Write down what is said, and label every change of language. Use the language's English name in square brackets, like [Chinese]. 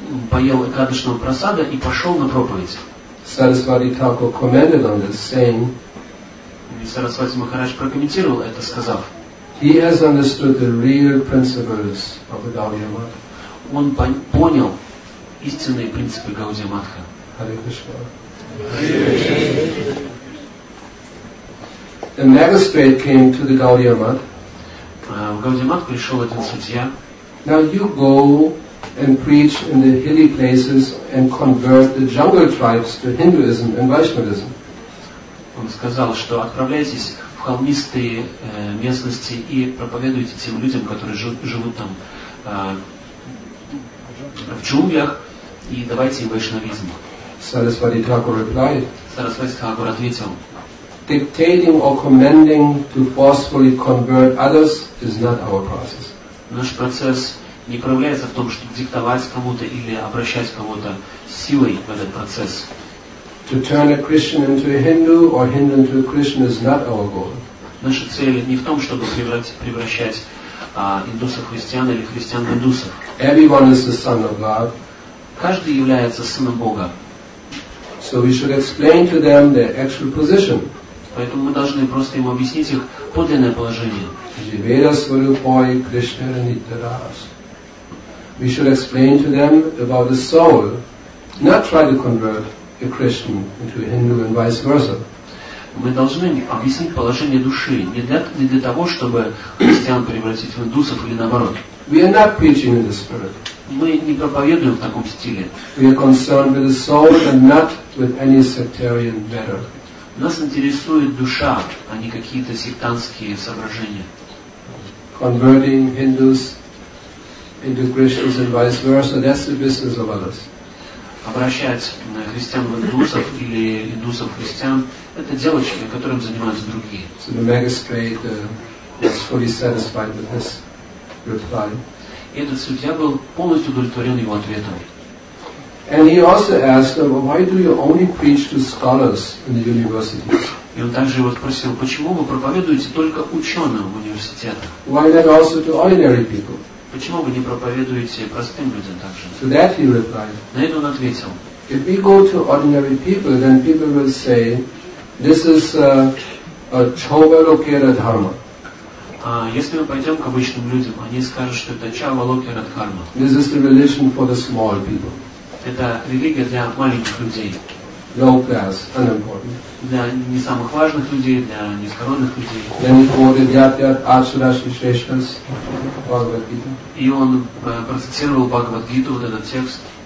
[Russian] Поел Экадышного просада и пошел на проповедь. [English] Sarasvati Thakur commented on this, saying, [Russian] и Сарасвати Махарадж прокомментировал это, сказав, [English] he has understood the real principles of the Gaudiya Math. [Russian] Он понял истинные принципы Гаудия Матха. [English] Hare Krishna. Hare Krishna. A magistrate came to the Gaudiya Math. [Russian] В Gaudiya Math пришел один судья. [English] Now you go and preach in the hilly places and convert the jungle tribes to Hinduism and Vaishnavism. [Russian] Он сказал, что отправляйтесь в холмистые местности и проповедуйте тем людям, которые живут там в джунглях, и давайте им вайшнавизм. [English] Sarasvati Thakur replied. [Russian] Sarasvati Thakur ответил. [English] Dictating or commanding to forcefully convert others is not our process. [Russian] Наш процесс не проявляется в том, чтобы диктовать кому-то или обращать кого-то силой в этот процесс. [English] To turn a Christian into a Hindu or Hindu into a Christian is not our goal. [Russian] Наша цель не в том, чтобы превращать индусов в христиан или христиан в индусов. [English] Everyone is the son of God. [Russian] Каждый является сыном Бога. [English] So we should explain to them their actual position. [Russian] Поэтому мы должны просто им объяснить их подлинное положение. Живея свою пой Кришна Нитарас. [English] We should explain to them about the soul, not try to convert a Christian into a Hindu and vice versa. [Russian] Мы должны объяснить положение души, не для того, чтобы христиан превратить в индусов или наоборот. [English] We are not preaching in the spirit. [Russian] Мы не проповедуем в таком стиле. [English] We are concerned with the soul and not with any sectarian matter. [Russian] Нас интересует душа, а не какие-то сектантские соображения. [English] Converting Hindus into Christians and vice versa, that's the business of others. [Russian] Обращать христиан в индусов или индусов в христиан – это дело, которым занимаются другие. [English] So the magistrate was fully satisfied with his reply. [Russian] Этот судья был полностью удовлетворен его ответом. [English] And he also asked them, why do you only preach to scholars in the university? [Russian] И он также его спросил, почему вы проповедуете только ученым в университетах? [English] Why not also to ordinary people? [Russian] Почему вы не проповедуете простым людям также? [English] To that he replied. [Russian] На это он ответил. [English] If we go to ordinary people, then people will say, this is a chovalokera dharma. [Russian] Если мы пойдем к обычным людям, они скажут, что это чавалокера дхарма. [English] This is the religion for the small people. [Russian] Это религия для маленьких людей. [English] Low class, unimportant. [Russian] Для не самых важных людей, для низкородных людей. [English] Then he quoted Yatyat Ashrashi Sheshas, Bhagavad Gita. [Russian] И он процитировал Бхагавад Гиту, вот этот текст.